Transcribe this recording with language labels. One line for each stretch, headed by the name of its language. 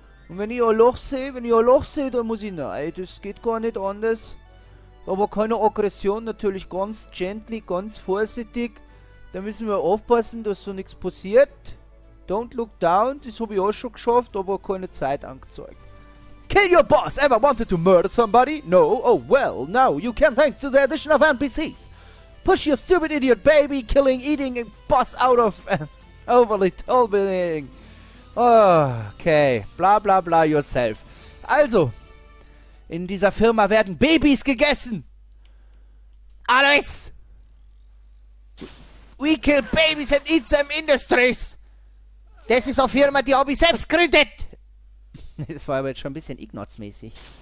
German: Und wenn ich ein Loch sehe, dann muss ich, nein, das geht gar nicht anders. Aber keine Aggression, natürlich ganz gently, ganz vorsichtig. Da müssen wir aufpassen, dass so nichts passiert.
English: Don't look down,
German: das habe ich auch schon geschafft, aber keine Zeit angezeigt.
English: Kill your boss! Ever wanted to murder somebody? No? Oh well, now you can thanks to the addition of NPCs! Push your stupid idiot baby killing eating boss out of... overly tall building! Okay, bla bla bla yourself.
German: Also, in dieser Firma werden Babys gegessen! Alles!
English: We kill babies and eat them industries!
German: Das ist eine Firma, die habe ich selbst gegründet! Das war aber jetzt schon ein bisschen Ignaz-mäßig.